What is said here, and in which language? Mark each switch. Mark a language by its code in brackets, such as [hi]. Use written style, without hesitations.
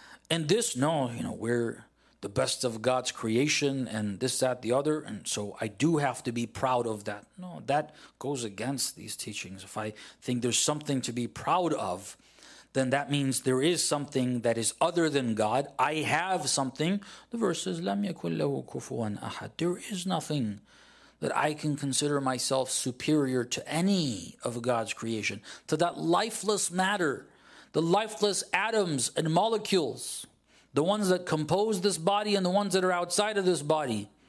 [en] And this, no, you know, we're the best of God's creation and this, that, the other, and so I do have to be proud of that. No, that goes against these teachings. If I think there's something to be proud of, then that means there is something that is other than God. I have something. The verse says, [ar] لَمْ يَكُلْ لَهُ كُفُوًا أَحَدٌ. [en] There is nothing that I can consider myself superior to any of God's creation, to that lifeless matter, the lifeless atoms and molecules, the ones that compose this body and the ones that are outside of this body.